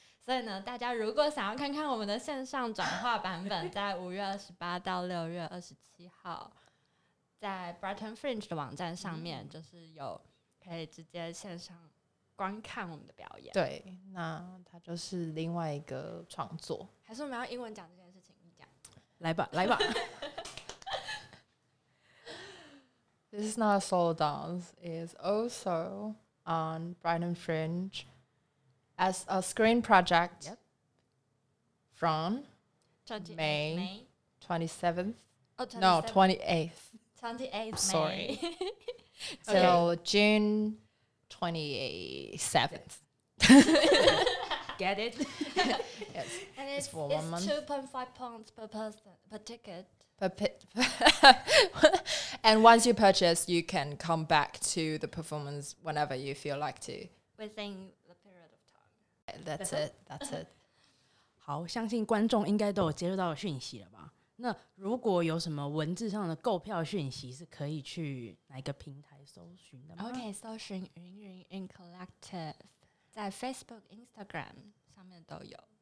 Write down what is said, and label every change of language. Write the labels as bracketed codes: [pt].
[zh] 所以呢大家如果想要看看我们的线上转化版本，在5月28到6月27号在 Brighton Fringe 的网站上面就是有可以直接线上观看我们的表演。对，那它就是另外一个创作。还是我们要英文讲这件事情，你讲来吧来吧。 [en] This is not a solo dance, it's also on Brighton Fringe as a screen project、 yep. from May 27th, no 28th, sorry, till June 27th. Get it? Yes. And it's for 1 month. £2.5 per person, per ticket. And once you purchase, you can come back to the performance whenever you feel like to. Within the period of time. That's it. That's it. [zh] 好，相信观众应该都有接触到讯息了吧？那如果有什么文字上的购票讯息是可以去哪个平台搜寻的吗？ OK, 搜寻云云云 Collective 在 Facebook、Instagram 上面都有，